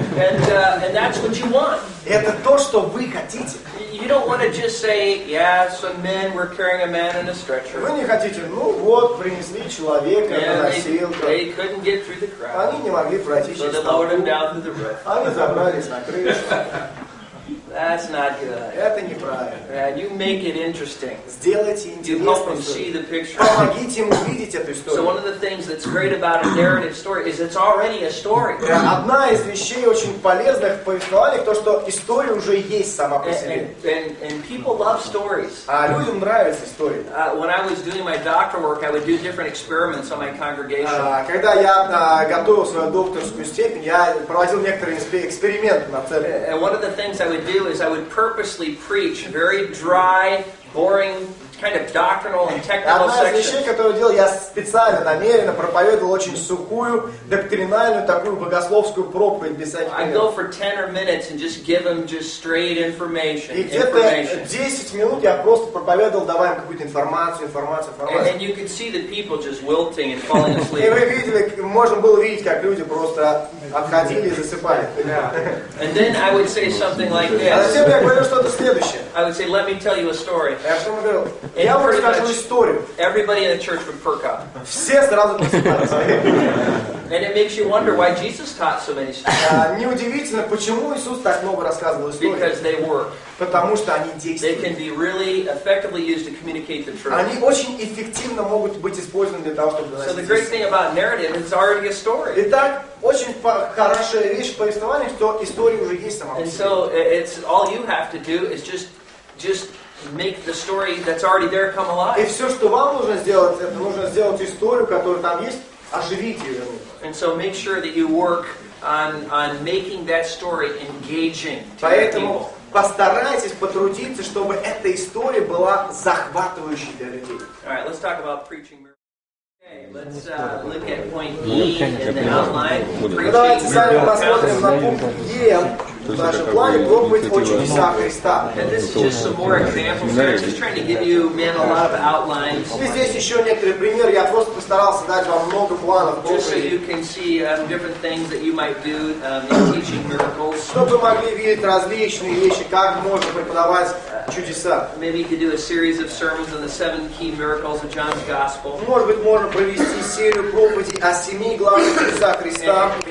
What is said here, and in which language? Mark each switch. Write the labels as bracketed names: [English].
[English] And that's what you want. [Russian] Это то, что вы хотите. [English] You don't want to just say, "Yeah, some men were carrying a man in a stretcher." [Russian] Вы не хотите, ну вот принесли человека на носилках. [English] They couldn't get through the crowd. [Russian] Они не могли пройти через толпу. [English] So they lowered him down through the roof. [Russian] Они забрались на крышу. [English] That's not good. [Russian] Это неправильно. [English] Man, you make it interesting. [Russian] Сделайте интересную историю. [English] You help them see the picture. [Russian] Помогите им увидеть эту историю. [English] So one of the things that's great about a narrative story is it's already a story. [Russian] Одна из вещей очень полезных в повествовании то, что история уже есть сама по себе. [English] And people love stories. [Russian] А людям нравятся истории. [English] When I was doing my doctoral work, I would do different experiments on my congregation. [Russian] Когда я готовил свою докторскую степень, я проводил некоторые эксперименты на церкви. [English] And one of the things I would do is I would purposely preach very dry, boring, kind of doctrinal and technical sections. [Russian] Одна из вещей, которую делал, я специально, намеренно проповедовал очень сухую, доктринальную, такую богословскую проповедь без всяких. [English] I'd go for 10 or minutes and just give them just straight information. [Russian] И где-то 10 минут я просто проповедовал, давая им какую-то информацию. [English] And you could see the people just wilting and falling asleep. [Russian] И вы видели, можно было видеть, как люди просто отходили и засыпали. [English] And then I would say something like this. [Russian] А затем я говорю что-то следующее. [English] I would say, let me tell you a story. [Russian] Я что вам говорил? Я вам расскажу историю. [English] Everybody in the church would perk up. [Russian] Все сразу просыпались. [English] And it makes you wonder why Jesus taught so many stories. [Russian] Неудивительно, почему Иисус так много рассказывал историй. [English] Because they work. [Russian] Потому что они действуют. [English] They can be really effectively used to communicate the truth. [Russian] Они очень эффективно могут быть использованы для того, чтобы. [English] So the great thing about narrative is it's already a story. [Russian] Итак, очень хорошая вещь повествования, что история уже есть сама. [English] And so it's all you have to do is just make the story that's already there come alive. [Russian] И все, что вам нужно сделать, это нужно сделать историю, которая там есть, оживить ее. [English] And so make sure that you work on making that story engaging to [Russian] Поэтому [English] your people. [Russian] Постарайтесь потрудиться, чтобы эта история была захватывающей для людей. [English] All right, let's talk about preaching. Let's look at point E in the outline. [Russian] Давайте сами посмотрим на пункт Е в нашем плане проповедь о чудесах Христа. [English] And this is just some more examples here. Just trying to give you, man, a lot of outlines. [Russian] И здесь еще некоторые примеры. Я просто постарался дать вам много планов. [English] Just so you can see different things that you might do in teaching miracles. [Russian] Чтобы вы могли видеть различные вещи, как можно преподавать чудеса. [English] Maybe you could do a series of sermons on the seven key miracles of John's Gospel. [Russian] Может быть, можно провести серию проповедей о семи главных чудесах Христа в